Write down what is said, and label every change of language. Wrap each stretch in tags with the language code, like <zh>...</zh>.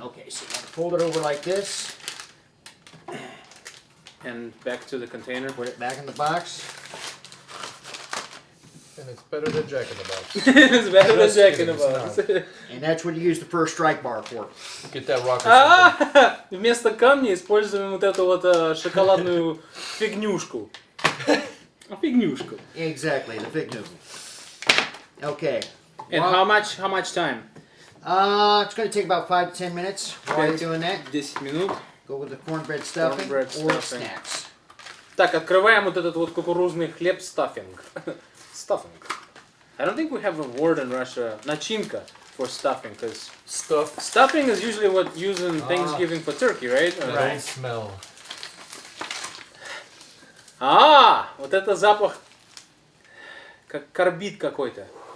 <en>Okay, so you fold it over like this. And back to the container. Put it back in the box. And it's better than Jack in the Box. It's better than Jack in the Box. And that's what you use the first strike bar for. Get that rock.</en> <ru>Вместо камня используем вот эту вот шоколадную фигнюшку. Фигнюшку.</ru> <en>Exactly, the фигнюшку. Okay. And well, how much time? It's going to take about 5 to 10 minutes while you're doing that.</en> <ru>10 минут.</ru> <en>Go with the cornbread stuffing cornbread snacks.</en> <ru>Так, открываем вот этот вот кукурузный хлеб stuffing.</ru> <en>Stuffing. I don't think we have a word in Russia, начинка, for stuffing, because stuffing is usually what used in Thanksgiving for turkey, right? Right. Smell.</en> <ru>Вот это запах, как карбид какой-то.</ru>